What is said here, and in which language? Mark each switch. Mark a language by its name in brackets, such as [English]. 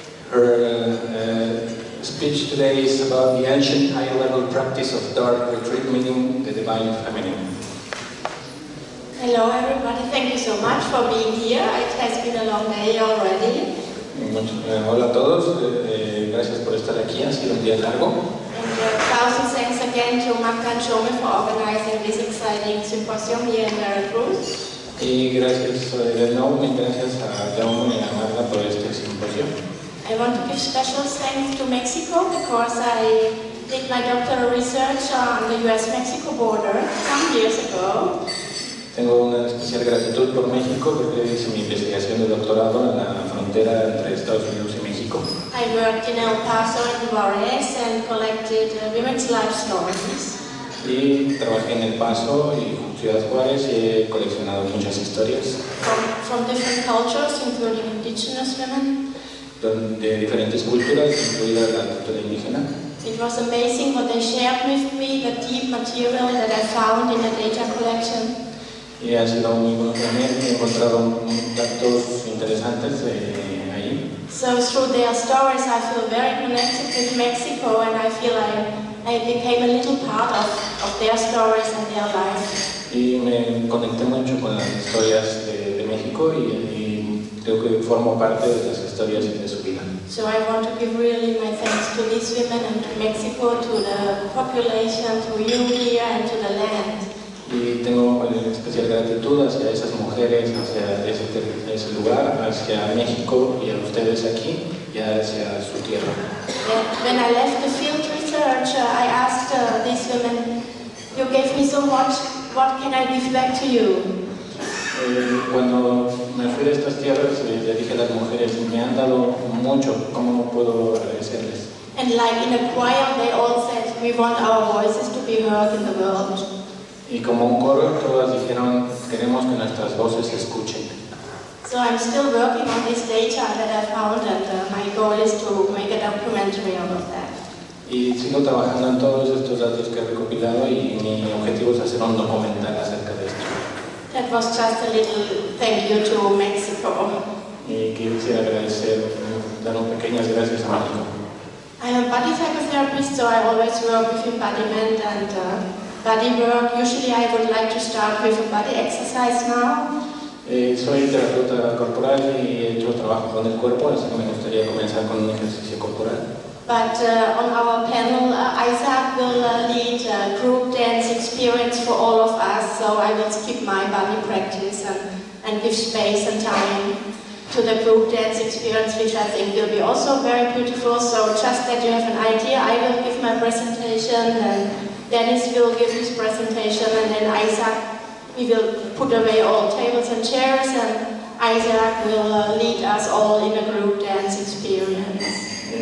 [English] Her speech today is about the ancient high-level practice of dark retreat, meaning the divine feminine. Hello everybody, thank you so much for being here. It has been a long day already. [Spanish] Hola a todos, gracias por estar aquí, ha sido un día largo. [English] And a thousand thanks again to Marta Chome for organizing this exciting symposium here in Veracruz. [Spanish] Y gracias de nuevo, y gracias a Jaume y a Marta por este simposio. [English] I want to give special thanks to Mexico because I did my doctoral research on the US-Mexico border some years ago. [Spanish] Tengo una especial gratitud por México porque hice mi investigación de doctorado en la frontera entre Estados Unidos y México. [English] I worked in El Paso and Juarez and collected women's life stories. [Spanish] Y trabajé en El Paso y Ciudad Juárez y he coleccionado muchas historias. [English] From different cultures, including indigenous women. [Spanish] De diferentes culturas, incluida la cultura indígena. [English] It was amazing what they shared with me, the deep material that I found in the data collection. [Spanish] Y ha sido muy bueno también, he encontrado datos interesantes ahí. [English] So through their stories I feel very connected with Mexico and I feel like I became a little part of their stories and their lives. [Spanish] Y me conecté mucho con las historias de México y creo que formo parte de las historias de su vida. [English] So I want to give really my thanks to these women and to Mexico, to the population, to you here and to the land. [Spanish] Y tengo especial gratitud hacia esas mujeres, hacia ese lugar, hacia México y a ustedes aquí y hacia su tierra. [English] When I left the field research, I asked these women, "You gave me so much. What can I give back to you?" [Spanish] Cuando me fui de estas tierras, le dije a las mujeres, "Me han dado mucho. ¿Cómo no puedo agradecerles?" [English] And like in a choir, they all said, "We want our voices to be heard in the world." [Spanish] Y como un coro, todas dijeron, queremos que nuestras voces se escuchen. [English] So I'm still working on this data that I found and my goal is to make a documentary out of that. [Spanish] Y sigo trabajando en todos estos datos que he recopilado y mi objetivo es hacer un documental acerca de esto. [English] That was just a little thank you to Mexico. [Spanish] Y quisiera agradecer, dar un pequeñas gracias a México. [English] I'm a body psychotherapist, so I always work with embodiment and body work. Usually I would like to start with a body exercise now. [Spanish] Soy terapeuta corporal y he hecho trabajo con el cuerpo, así que me gustaría comenzar con un ejercicio corporal. [English] But on our panel, Isaac will lead a group dance experience for all of us, so I will skip my body practice and give space and time to the group dance experience, which I think will be also very beautiful. So just that you have an idea, I will give my presentation and Dennis will give his presentation and then Isaac, we will put away all tables and chairs and Isaac will lead us all in a group dance experience.